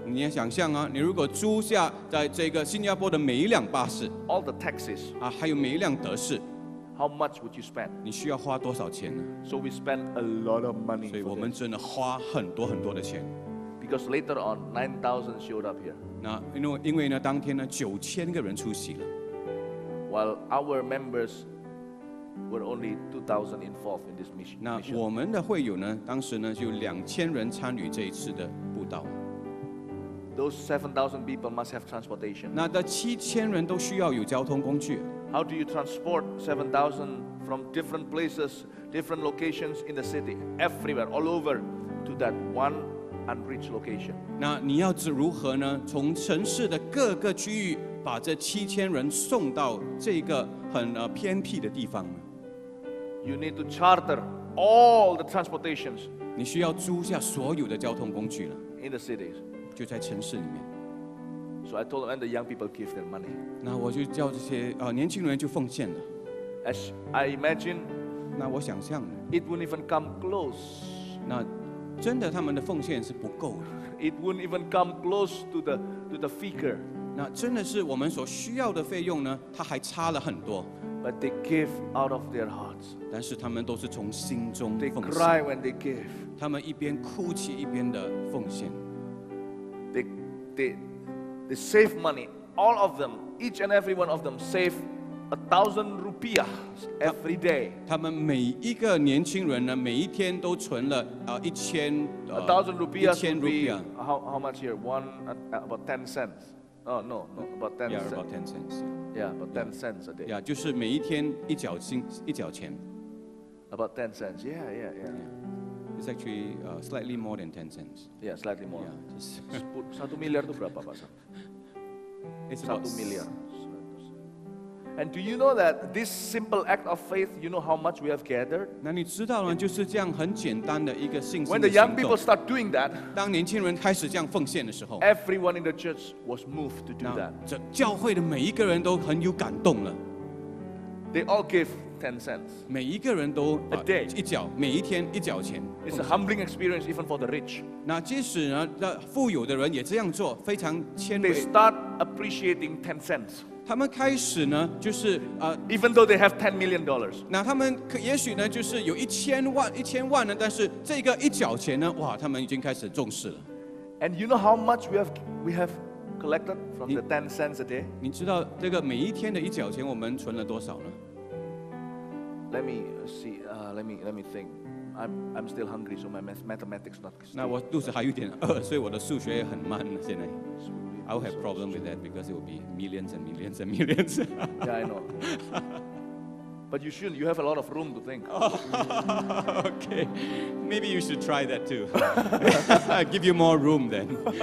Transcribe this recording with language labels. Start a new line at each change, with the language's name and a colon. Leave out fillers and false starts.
Chinese: 你要想象啊，你如果租下在这个新加坡的每一辆巴士。
English: All the taxis.
Chinese: 啊，还有每一辆德士。
English: How much would you spend?
Chinese: 你需要花多少钱呢？
English: So we spend a lot of money.
Chinese: 所以我们真的花很多很多的钱。
English: Because later on, 9,000 showed up here.
Chinese: 那因为呢，当天呢，9,000个人出席了。
English: While our members were only 2,000 involved in this mission.
Chinese: 那我们的会友呢，当时呢，就2,000人参与这一次的布道。
English: Those 7,000 people must have transportation.
Chinese: 那这7,000人都需要有交通工具。
English: How do you transport 7,000 from different places, different locations in the city, everywhere, all over, to that one unreached location?
Chinese: 那你要是如何呢？从城市的各个区域把这7,000人送到这个很偏僻的地方呢？
English: You need to charter all the transportations.
Chinese: 你需要租下所有的交通工具了。
English: In the cities.
Chinese: 就在城市里面。
English: So I told them, and the young people give their money.
Chinese: 那我就叫这些年轻人就奉献了。
English: As I imagine,
Chinese: 那我想象的
English: it wouldn't even come close.
Chinese: 那真的他们的奉献是不够的。
English: It wouldn't even come close to the figure.
Chinese: 那真的是我们所需要的费用呢，它还差了很多。
English: But they give out of their hearts.
Chinese: 但是他们都是从心中奉献。
English: They cry when they give.
Chinese: 他们一边哭泣一边的奉献。
English: They save money, all of them, each and every one of them save 1,000 rupiah every day.
Chinese: 他们每一个年轻人呢，每一天都存了1,000
English: 1,000 rupiah. How much here? About 10 cents. About 10 cents. About 10 cents. Yeah, about 10 cents a day.
Chinese: Yeah, 就是每一天一角钱.
English: About 10 cents. Yeah. It's actually slightly more than 10 cents. Yeah, slightly more. Yeah, just 1
Indonesian: miliar itu berapa,
English: Pak Sam? It's about 1 miliar. And do you know that this simple act of faith, you know how much we have gathered?
Chinese: 那你知道吗？就是这样很简单的一个信心的行动。
English: When the young people start doing that,
Chinese: 当年轻人开始这样奉献的时候，
English: everyone in the church was moved to do that.
Chinese: 这教会的每一个人都很有感动了。
English: They all give 10 cents.
Chinese: 每一个人都
English: a day.
Chinese: 一角，每一天一角钱。
English: It's a humbling experience even for the rich.
Chinese: 那即使呢，那富有的人也这样做，非常谦卑。
English: They start appreciating 10 cents.
Chinese: 他们开始呢，就是
English: even though they have $10 million.
Chinese: 那他们也许呢，就是有一千万呢，但是这个一角钱呢，哇，他们已经开始重视了。
English: And you know how much we have collected from the 10 cents a day?
Chinese: 你知道这个每一天的一角钱我们存了多少呢？
English: Let me see. Let me think. I'm still hungry, so my mathematics not.
Chinese: 那我肚子还有点饿，所以我的数学也很慢现在。
English: I will have problem with that because it will be millions and millions and millions. Yeah, I know. But you shouldn't. You have a lot of room to think. Okay, maybe you should try that too. I give you more room then.